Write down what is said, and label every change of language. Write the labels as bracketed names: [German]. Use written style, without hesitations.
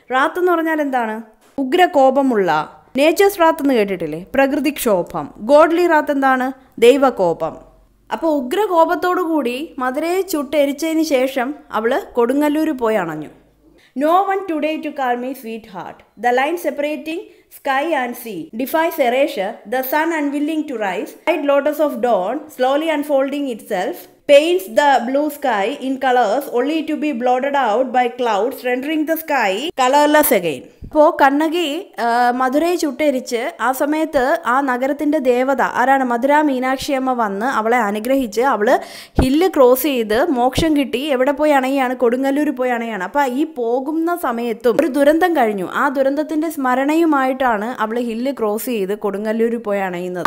[Malayalam] റാത്ത് എന്ന് പറഞ്ഞാൽ എന്താണ്? ഉഗ്ര കോപമുള്ള. നേച്ചേഴ്സ് റാത്ത് എന്ന് കേട്ടിട്ടില്ലേ? പ്രകൃതിക്ഷോഭം. ഗോഡ്ലി റാത്ത് എന്താണ്? ദൈവകോപം. അപ്പോൾ ഉഗ്ര കോപത്തോടുകൂടി മധുരയെ ചുട്ട് എരിച്ചതിന് ശേഷം അവള് കൊടുങ്ങല്ലൂർ പോയി അണഞ്ഞു. [English] No one today to call me sweet heart. The line separating sky and sea defies erasure. The sun unwilling to rise. White lotus of dawn slowly unfolding itself paints the blue sky in colors only to be blotted out by clouds rendering the sky colorless again. [Malayalam] അപ്പോൾ കണ്ണകി മധുരയെ ചുട്ടെരിച്ച് ആ സമയത്ത് ആ നഗരത്തിൻ്റെ ദേവത ആരാണ്? മധുര മീനാക്ഷി അമ്മ വന്ന് അവളെ അനുഗ്രഹിച്ച് അവള് ഹില്ല് ക്രോസ് ചെയ്ത് മോക്ഷം കിട്ടി എവിടെ പോയി അണയാണ്? കൊടുങ്ങല്ലൂർ പോയി അണയാണ്. അപ്പം ഈ പോകുന്ന സമയത്തും ഒരു ദുരന്തം കഴിഞ്ഞു, ആ ദുരന്തത്തിൻ്റെ സ്മരണയുമായിട്ടാണ് അവള് ഹില്ല് ക്രോസ് ചെയ്ത് കൊടുങ്ങല്ലൂർ പോയി അണയുന്നത്.